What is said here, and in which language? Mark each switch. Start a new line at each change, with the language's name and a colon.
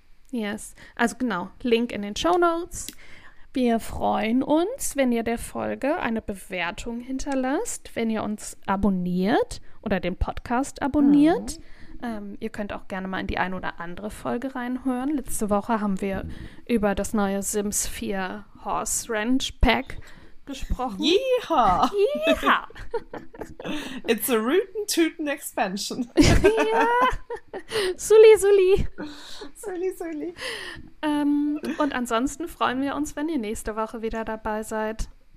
German: Yes, also genau, Link in den Shownotes. Wir freuen uns, wenn ihr der Folge eine Bewertung hinterlasst, wenn ihr uns abonniert oder den Podcast abonniert. Ihr könnt auch gerne mal in die ein oder andere Folge reinhören. Letzte Woche haben wir über das neue Sims 4 Horse Ranch Pack gesprochen. Yeehaw! Yeehaw!
English: It's a rootin' tootin' expansion.
German: Ja! Sully, Sully! Sully, Sully! Und ansonsten freuen wir uns, wenn ihr nächste Woche wieder dabei seid.